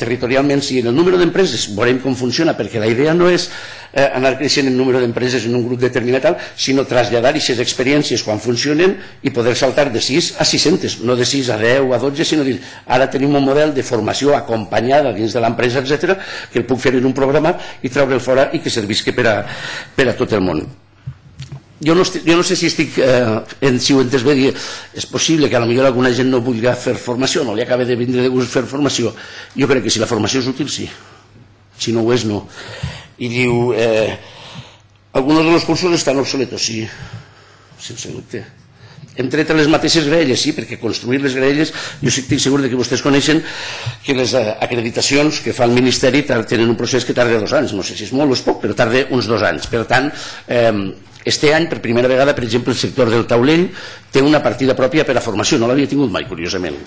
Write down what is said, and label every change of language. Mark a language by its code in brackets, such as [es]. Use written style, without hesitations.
[ca] Territorialment sí, en el número d'empreses veurem com funciona, perquè la idea no és anar creixent en número d'empreses en un grup determinat, sinó traslladar aquestes experiències quan funcionen i poder saltar de 6 a 600, no de 6 a 10 a 12, sinó dir, ara tenim un model de formació acompanyada dins de l'empresa, etc., que el puc fer en un programa i treure'l fora i que servisca per a tot el món. Jo no sé si estic, si ho entès bé, dir, és possible que a lo millor alguna gent no vulgui fer formació, no li acabe de vindre de gust fer formació. Jo crec que si la formació és útil, sí. Si no ho és, no. I diu, [es] algunos de los cursos están obsoletos, sí, [ca] sense dubte. Hem tret les mateixes graelles, sí, perquè construir les graelles, jo sí que estic segur que vostès coneixen que les acreditacions que fa el Ministeri tenen un procés que tarda 2 anys, no sé si és molt o és poc, però tarda uns 2 anys. Per tant, este any, per primera vegada, per exemple, el sector del taulell té una partida pròpia per a formació, no l'havia tingut mai, curiosament.